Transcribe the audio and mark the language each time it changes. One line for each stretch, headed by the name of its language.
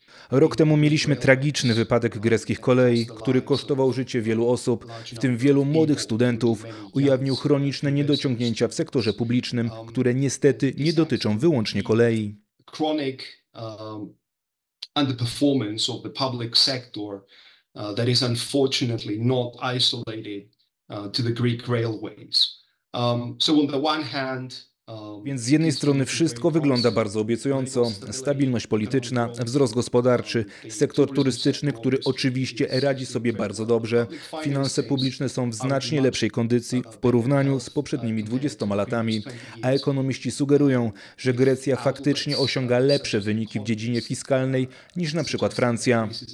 Polish: Rok temu mieliśmy tragiczny wypadek greckich kolei, który kosztował życie wielu osób, w tym wielu młodych studentów, ujawnił chroniczne niedociągnięcia w sektorze publicznym, które niestety nie dotyczą wyłącznie kolei.
English: Chronic underperformance of the public sector that is unfortunately not isolated to the Greek railways. So on the one hand,
Polish: Więc z jednej strony wszystko wygląda bardzo obiecująco. Stabilność polityczna, wzrost gospodarczy, sektor turystyczny, który oczywiście radzi sobie bardzo dobrze. Finanse publiczne są w znacznie lepszej kondycji w porównaniu z poprzednimi 20 latami. A ekonomiści sugerują, że Grecja faktycznie osiąga lepsze wyniki w dziedzinie fiskalnej niż na przykład Francja.